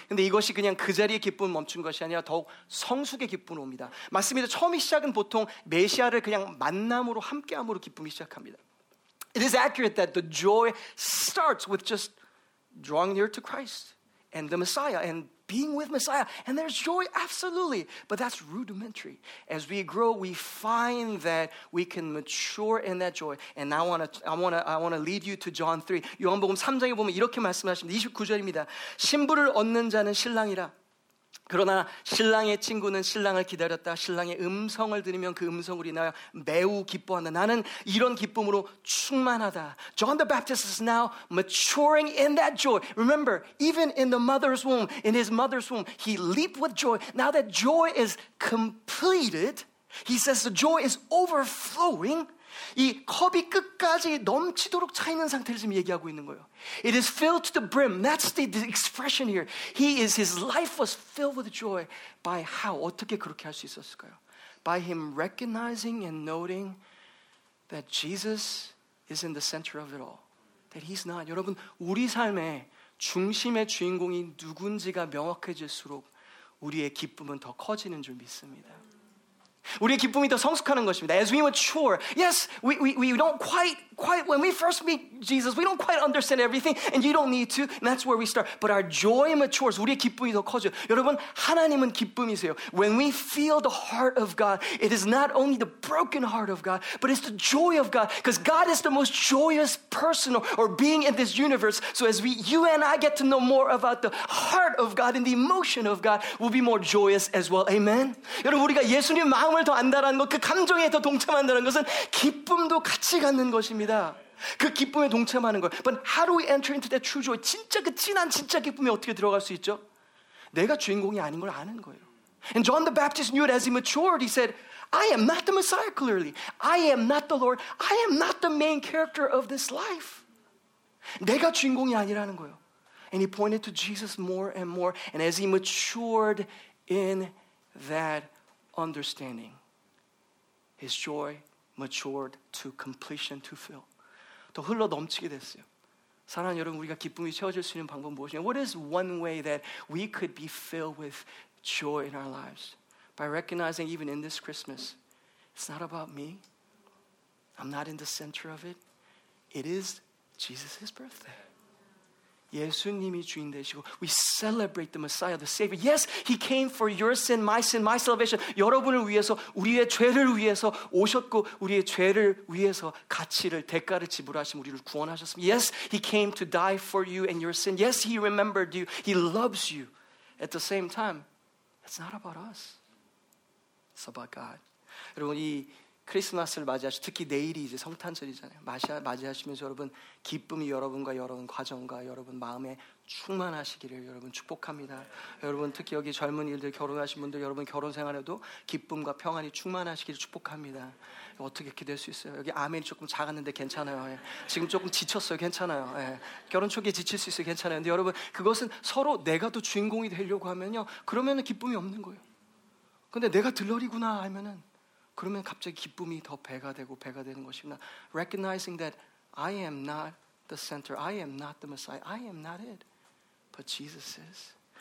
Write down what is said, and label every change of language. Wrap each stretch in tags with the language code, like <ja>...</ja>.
<ko>근데 이것이 그냥 그 자리에 기쁨 멈춘 것이 아니라 더욱 성숙의 기쁨 옵니다. 맞습니다. 처음의 시작은 보통 메시아를 그냥 만남으로 함께함으로 기쁨이 시작합니다.</ko> <en>It is accurate that the joy starts with just drawing near to Christ and the Messiah and being with Messiah. And there's joy, absolutely. But that's rudimentary. As we grow, we find that we can mature in that joy. And I want to lead you to John 3.</en> <ko>요한복음 3장에 보면 이렇게 말씀하십니다. 29절입니다. 신부를 얻는 자는 신랑이라. 그러나 신랑의 친구는 신랑을 기다렸다. 신랑의 음성을 들으면 그 음성으로 인하여 매우 기뻐한다. 나는 이런 기쁨으로 충만하다.</ko> <en>John the Baptist is now maturing in that joy. Remember, even in the mother's womb, in his mother's womb, he leaped with joy. Now that joy is completed, he says the joy is overflowing.</en> <ko>이 컵이 끝까지 넘치도록 차 있는 상태를 지금 얘기하고 있는 거예요.</ko> <en>It is filled to the brim. That's the expression here. He is, his life was filled with joy. By how?</en> <ko>어떻게 그렇게 할 수 있었을까요?</ko> <en>By him recognizing and noting that Jesus is in the center of it all. That he's not.</en> <ko>여러분, 우리 삶의 중심의 주인공이 누군지가 명확해질수록 우리의 기쁨은 더 커지는 줄 믿습니다. 우리의 기쁨이 더 성숙하는 것입니다.</ko> <en>As we mature, yes, we don't quite when we first meet Jesus, we don't quite understand everything, and you don't need to, and that's where we start. But our joy matures.</en> <ko>우리의 기쁨이 더 커져. 여러분, 하나님은 기쁨이세요.</ko> <en>When we feel the heart of God, it is not only the broken heart of God, but it's the joy of God, because God is the most joyous person or being in this universe. So as you and I get to know more about the heart of God and the emotion of God will be more joyous as well. Amen.</en> <ko>여러분 우리가 예수님 마음을 더 안다라는 것, 그 감정에 더 동참한다는 것은 기쁨도 같이 갖는 것입니다. 그 기쁨에 동참하는 거예요.</ko> <en>But how do we enter into that true joy?</en> <ko>진짜 그 진한 진짜 기쁨에 어떻게 들어갈 수 있죠? 내가 주인공이 아닌 걸 아는 거예요.</ko> <en>And John the Baptist knew it as he matured. He said, I am not the Messiah, clearly. I am not the Lord. I am not the main character of this life.</en> <ko>내가 주인공이 아니라는 거예요.</ko> <en>And he pointed to Jesus more and more. And as he matured in that understanding, his joy matured to completion, to fill.</en> <ko>더 흘러 넘치게 됐어요. 사랑하는 여러분, 우리가 기쁨이 채워질 수 있는 방법은 무엇이냐?</ko> <en>What is one way that we could be filled with joy in our lives? By recognizing even in this Christmas, it's not about me. I'm not in the center of it. It is Jesus' birthday.</en> <ko>예수님이 주인 되시고</ko> <en>we celebrate the Messiah, the Savior. Yes, he came for your sin, my salvation.</en> <ko>여러분을 위해서, 우리의 죄를 위해서 오셨고 우리의 죄를 위해서 가치를, 대가를 지불하신 우리를 구원하셨습니다.</ko> <en>Yes, he came to die for you and your sin. Yes, he remembered you. He loves you. At the same time, it's not about us. It's about God.</en> <ko>여러분, 이 크리스마스를 맞이하시고 특히 내일이 이제 성탄절이잖아요. 맞이하시면서 여러분 기쁨이 여러분과 여러분 과정과 여러분 마음에 충만하시기를 여러분 축복합니다. 여러분 특히 여기 젊은이들, 결혼하신 분들, 여러분 결혼 생활에도 기쁨과 평안이 충만하시기를 축복합니다. 어떻게 기댈 수 있어요? 여기 아멘이 조금 작았는데 괜찮아요. 예. 지금 조금 지쳤어요. 괜찮아요. 예. 결혼 초기에 지칠 수 있어요. 괜찮아요. 근데 여러분 그것은 서로 내가 또 주인공이 되려고 하면요, 그러면 기쁨이 없는 거예요. 근데 내가 들러리구나 하면은 그러면 갑자기 기쁨이 더 배가 되고 배가 되는 것입니다.</ko> <en>Recognizing that I am not the center, I am not the Messiah, I am not it, but Jesus is.</en>